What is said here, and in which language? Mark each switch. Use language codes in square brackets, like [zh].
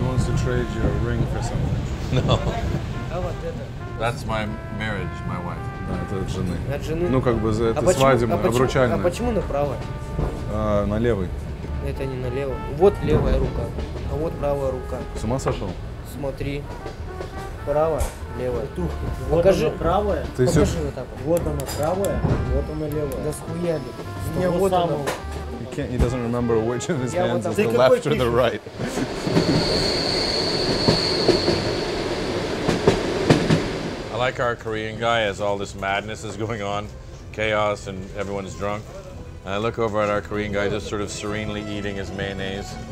[en] He wants to trade your ring for something. No. How about that? That's my marriage, my wife. [ru] Да, это от жены. От жены. Ну как бы за это свадебное, обручальное. А почему на правой? На левой. Это не на левой. Вот левая рука, а вот правая рука. С ума сошел? Смотри. Правая, левая. Тут. Покажи. Вот она правая. Ты покажи все... вот так. Вот она правая, вот она левая. Да схуяли. С мне вот самого. Она. [en] He doesn't remember which of his hands is the left or the right. I like our Korean guy as all this madness is going on, chaos and everyone's drunk. And I look over at our Korean guy just sort of serenely eating his mayonnaise.